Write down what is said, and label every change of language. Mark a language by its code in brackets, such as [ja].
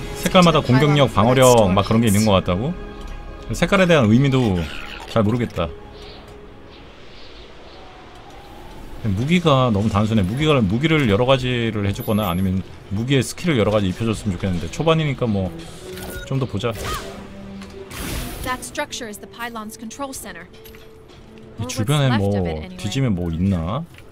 [ko] 색깔마다 공격력, 방어력 막 그런 게 있는 것 같다고? 색깔에 대한 의미도 잘 모르겠다. 무기가 너무 단순해. 무기를 여러 가지를 해주거나 아니면 무기의 스킬을 여러 가지 입혀줬으면 좋겠는데 초반이니까 뭐 좀 더 보자. [en] That structure is the pylon's control center. [ko] 이 주변에 뭐 뒤지면 뭐 있나?